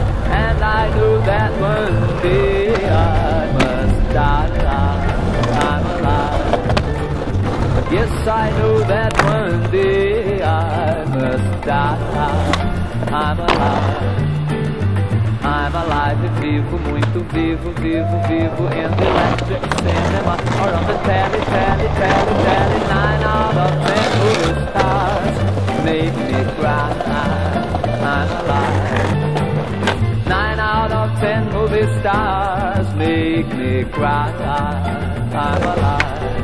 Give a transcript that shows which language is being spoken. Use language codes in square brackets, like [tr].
[en] And I knew that one day I must die alive. I'm alive. Yes, I knew that one day I must die alive. I'm alive. I'm alive [pt] e vivo, muito vivo, vivo, vivo. [en] In the electric cinema or on the telly, telly, telly, telly. Nine out of ten movie stars made me cry. I'm alive. Nine out of ten movie stars make me cry. I'm alive.